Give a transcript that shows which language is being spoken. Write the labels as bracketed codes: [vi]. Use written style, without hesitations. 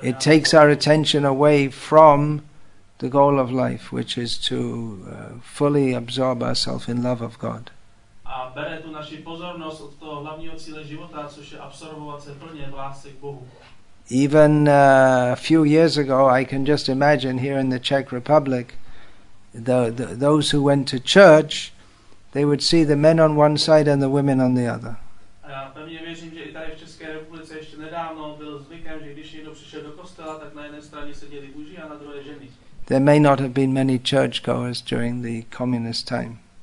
[en] It takes our attention away from the goal of life, which is to fully absorb ourselves in love of God. [cs] A bere tu naši pozornost od toho hlavního cíle života, což je absorbovat se plně v lásce k Bohu. [en] Even a few years ago, I can just imagine here in the Czech Republic, those who went to church, they would see the men on one side and the women on the other. [cs] Já pevně věřím, že i tady v České republice ještě nedávno byl zvykem, že když někdo přišel do kostela, tak na jedné straně seděli muži a na druhé ženy. [en] There may not have been many churchgoers during the communist time.